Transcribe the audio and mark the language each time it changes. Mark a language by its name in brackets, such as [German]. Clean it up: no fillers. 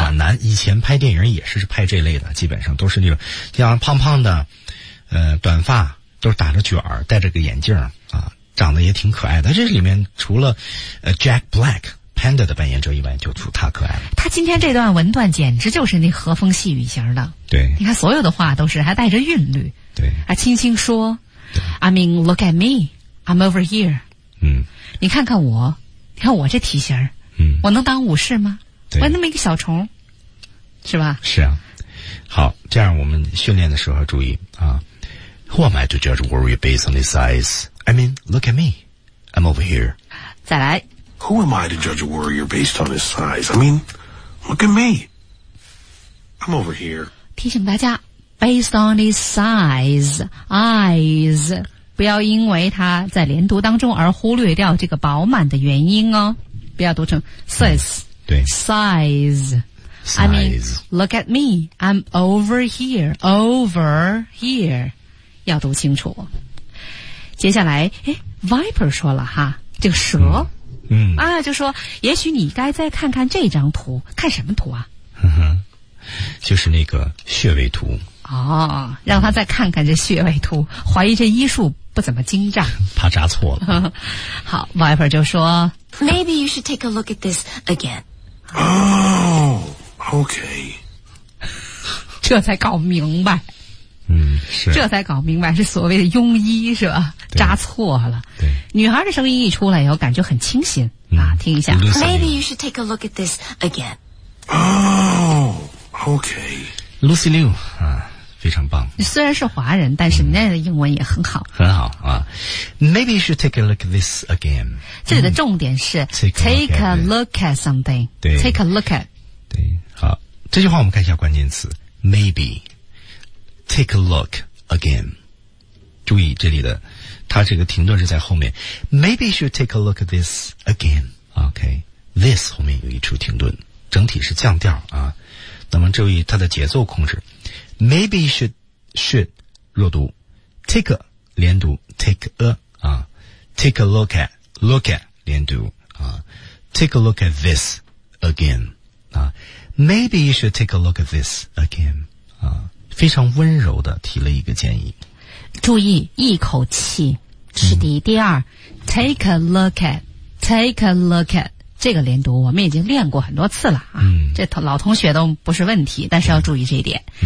[Chinese] 暖男，以前拍电影也是拍这类的，基本上都是那种像胖胖的，短发。都是打着卷儿，戴着个眼镜啊，长得也挺可爱的。这里面除了Jack Black Panda 的扮演者以外，就除他可爱了。他今天这段文段简直就是那和风细雨型的。对，你看所有的话都是还带着韵律。对，啊，轻轻说。对 [English] ，I mean, look at me, I'm over here。嗯， [Chinese] 你看看我，你看我这体型，嗯，我能当武士吗？对，我那么一个小虫，是吧？是啊。好，这样我们训练的时候注意啊。 [English] Who am I to judge worry based on his eyes? I mean, look at me. I'm over here. [Chinese] 再来。 [English] Who am I to judge worry based on his size? I mean, look at me. I'm over here. [Chinese] 提醒大家 , [English] based on his size, eyes, [Chinese] 不要因为他在连读当中而忽略掉这个饱满的元音哦。不要读成 size.、嗯、对。 [English] size. I mean, look at me. I'm over here. Over here. [Chinese] 要读清楚。接下来，哎 ，Viper 说了哈，这个蛇，嗯，啊，就说，也许你该再看看这张图，看什么图啊？哼哼，就是那个穴位图。哦，让他再看看这穴位图，怀疑这医术不怎么精湛，怕扎错了。好 ，Viper 就说 [English] ，Maybe you should take a look at this again. Oh, okay. [Chinese] 这才搞明白。嗯，是，这才搞明白是所谓的庸医是吧？扎错了。对，女孩的声音一出来以后，感觉很清新、嗯、啊，听一下。 [English] Maybe you should take a look at this again. Oh, okay. [Chinese] Lucy Liu 啊，非常棒。你虽然是华人，但是人家的英文也很好，嗯、很好啊。 [English] Maybe you should take a look at this again. [Chinese] 这里的重点是、 [English] 嗯、take a look at something. [Chinese] 对 [English] ，take a look at. [Chinese] 对，好，这句话我们看一下关键词 ，maybe. [English] Take a look again. [Chinese] 注意这里的它这个停顿是在后面。 [English] Maybe you should take a look at this again. [Chinese] Okay. This 后面有一处停顿。整体是降调啊。那么注意它的节奏控制。 [English] Maybe you should 弱读。Take a, 连读。 Take a, 啊。Take a look at, look at, 连读。啊。Take a look at this again. 啊。 Maybe you should take a look at this again. [Chinese] 啊，非常温柔的提了一个建议。注意一口气是第一，第二 ，take a look at， take a look at， 这个连读我们已经练过很多次了啊，这老同学都不是问题，但是要注意这一点。